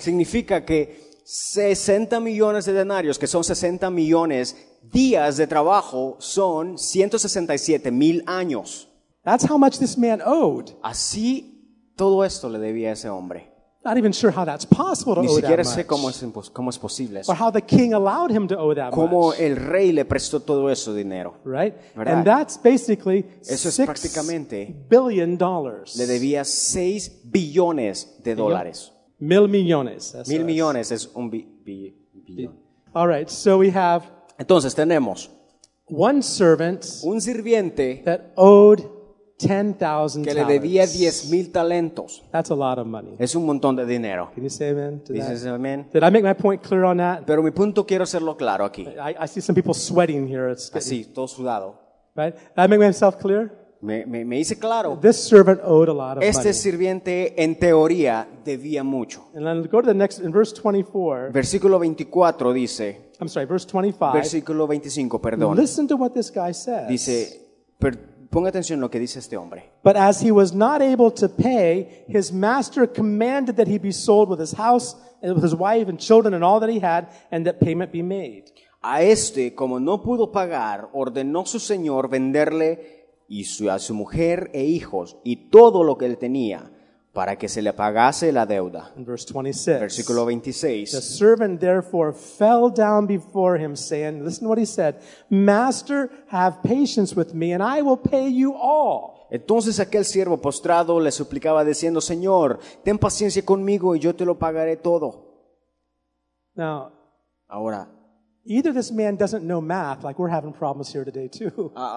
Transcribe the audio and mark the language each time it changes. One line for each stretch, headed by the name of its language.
Spanish: Significa que 60 millones de denarios, que son 60 millones días de trabajo, son 167,000 años.
English: That's how much this man owed.
Spanish: Así todo esto le debía a ese hombre.
English: Not even sure how that's possible to
Spanish: Ni
English: owe
Spanish: siquiera
English: that
Spanish: sé
English: much.
Spanish: Cómo es posible eso.
English: Or how the king allowed him to owe that
Spanish: cómo
English: much.
Spanish: El rey le prestó todo eso dinero.
English: Right?
Spanish: ¿Verdad?
English: And that's basically
Spanish: eso es prácticamente
English: $6 billion.
Spanish: Le debía 6 billones de dólares. Mil millones.
English: That's
Spanish: mil millones es un billón.
English: All right, so we have
Spanish: entonces tenemos
English: one servant
Spanish: un sirviente
English: that owed 10,000 talents.
Spanish: Que le debía 10,000 talentos.
English: That's a lot of money.
Spanish: Es un montón de dinero.
English: Can you say amen to
Spanish: Dices
English: that?
Spanish: Amen.
English: Did I make my point clear on that?
Spanish: Pero mi punto quiero hacerlo claro aquí.
English: I see some people sweating here. It's
Spanish: así, todo sudado.
English: Right? Did I make myself clear?
Spanish: Me hice claro.
English: This servant owed a lot of
Spanish: este
English: money.
Spanish: Este sirviente, en teoría, debía mucho.
English: And then go to the next, in verse 24.
Spanish: Versículo 24 dice.
English: I'm sorry, verse 25.
Spanish: Versículo 25, perdón.
English: Listen to what this guy says.
Spanish: Dice, ponga atención a lo que dice este hombre.
English: But as he was not able to pay, his master commanded that he be sold with his house and with his wife and children and all that he had, and that payment be made.
Spanish: A este, como no pudo pagar, ordenó su señor venderle y a su mujer e hijos y todo lo que él tenía para que se le pagase la deuda.
English: Verse 26.
Spanish: Versículo 26.
English: The servant therefore fell down before him, saying, listen to what he said, Master, have patience with me, and I will pay you all.
Spanish: Entonces aquel siervo postrado le suplicaba diciendo, Señor, ten paciencia conmigo y yo te lo pagaré todo.
English: Now,
Spanish: ahora,
English: either this man doesn't know math, like we're having problems here today too.